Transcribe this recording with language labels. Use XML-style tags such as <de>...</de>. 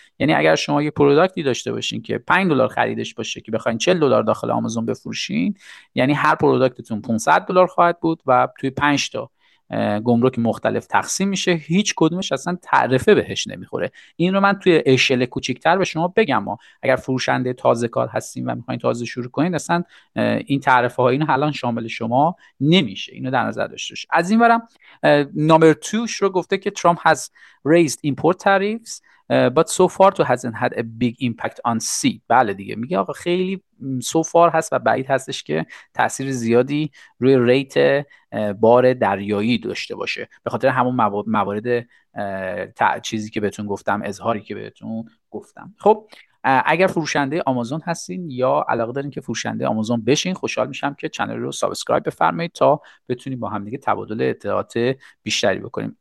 <fa>یعنی اگر شما یه پروداکتی داشته باشین که 5 دلار خریدش باشه که بخواین 40 دلار داخل آمازون بفروشین، یعنی هر پروداکتتون 500 دلار خواهد بود و توی 5 تا گمرک مختلف تقسیم میشه، هیچ کدومش اصلا تعرفه بهش نمیخوره. این رو من توی اشل کوچیکتر به شما بگم، اگر فروشنده تازه کار هستین و میخواین تازه شروع کنین، اصلا این تعرفه ها، این الان شامل شما نمیشه. اینو در نظر داشته باش. از این برم نامبر توش رو گفته که ترامپ</fa> <en>has raised import tariffs but so far to hasn't had a big impact on sea.</en> <fa>بله دیگه، میگه آقا خیلی so far هست و بعید هستش که تاثیر زیادی روی ریت بار دریایی داشته باشه، به خاطر همون موارد چیزی که بهتون گفتم، اظهاری که بهتون گفتم. خب اگر فروشنده آمازون هستین یا علاقه دارین که فروشنده آمازون بشین، خوشحال میشم که چنل رو سابسکرایب بفرمایید تا بتونیم با هم دیگه تبادل اطلاعات بیشتری بکنیم.</fa>